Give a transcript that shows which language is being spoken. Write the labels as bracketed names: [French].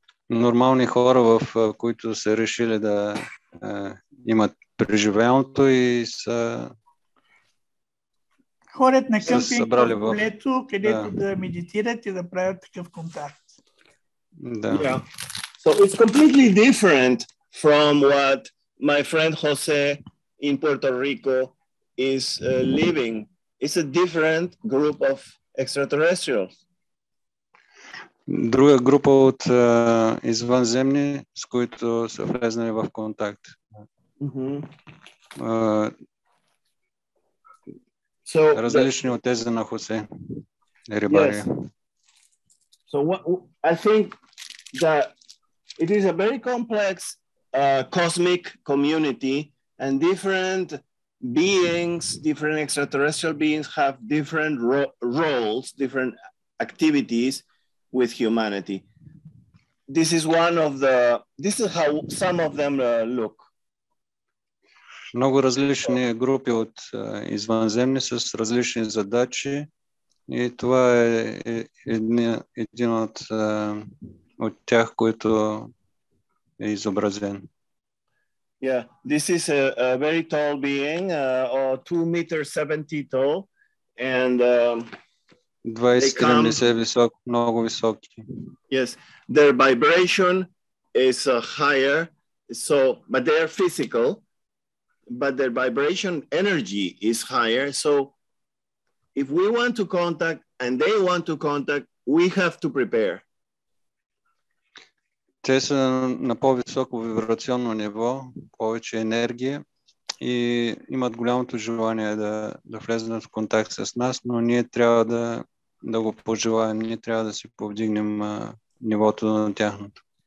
[Bulgarian] Нормални хора, в които са решили да имат преживяното и са ходят на къмпинг в лето, където да медитират и да правят такъв контакт. Да. [English] So it's completely different from what my friend Jose in Puerto Rico is living. It's a different group of extraterrestrials. [Bulgarian] Друга група от извънземни, с които са влезнали в контакт. [English] So [Bulgarian] различни от тези на Хосе, Рибария. [English] Yes. So I think that it is a very complex cosmic community, and different beings, different extraterrestrial beings have different roles, different activities with humanity. This is one of the, this is how some of them look. [Bulgarian] Много различни групи от извънземни с различни задачи, и това е един от от тях, който е изобразен. [English] Yeah, this is a very tall being, 2.70 meters tall, and [Bulgarian] 20-30 meters висок, много висок. [English] Yes, their vibration is higher, so but they are physical. But their vibration energy is higher. So if we want to contact and they want to contact, we have to prepare. [Bulgarian] Те са на по-високо вибрационно ниво, повече енергия, и имат голямото желание да влезнат в контакт с нас, но ние трябва да го пожелаем, ние трябва да си повдигнем нивото на тяхното.